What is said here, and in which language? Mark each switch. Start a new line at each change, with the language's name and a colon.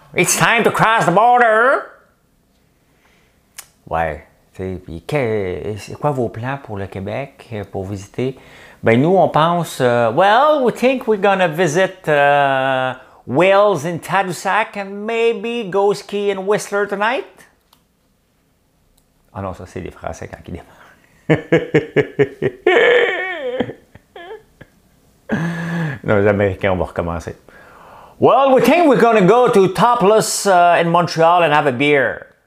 English: It's time to cross the border!
French: Ouais, tu sais, puis c'est quoi vos plans pour le Québec, pour visiter? Ben nous, on pense,
English: we think we're gonna visit Wales in Tadoussac and maybe go ski in Whistler tonight?
French: Ah non, ça c'est les Français quand ils démarrent. Non, les Américains, on va recommencer.
English: Well, we think we're gonna go to Topless in Montreal and have a beer.